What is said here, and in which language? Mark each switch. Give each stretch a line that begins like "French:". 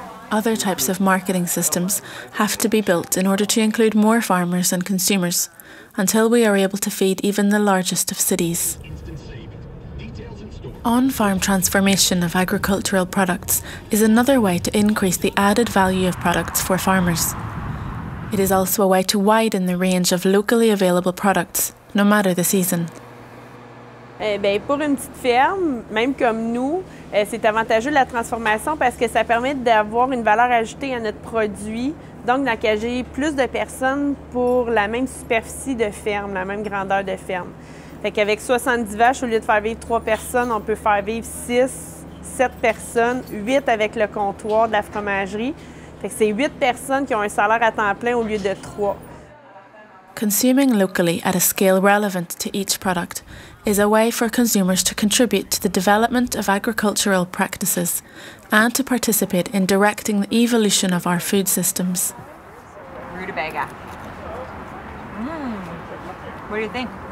English: Other types of marketing systems have to be built in order to include more farmers and consumers, until we are able to feed even the largest of cities. On-farm transformation of agricultural products is another way to increase the added value of products for farmers. It is also a way to widen the range of locally available products, no matter the season.
French: Eh bien, pour une petite ferme, même comme nous, c'est avantageux la transformation parce que ça permet d'avoir une valeur ajoutée à notre produit, donc d'engager plus de personnes pour la même superficie de ferme, la même grandeur de ferme. Fait qu'avec 70 vaches, au lieu de faire vivre 3 personnes, on peut faire vivre 6, 7 personnes, 8 avec le comptoir de la fromagerie. Fait que c'est 8 personnes qui ont un salaire à temps plein au lieu de 3.
English: Consuming locally at a scale relevant to each product is a way for consumers to contribute to the development of agricultural practices and to participate in directing the evolution of our food systems. Rutabaga. What do you think?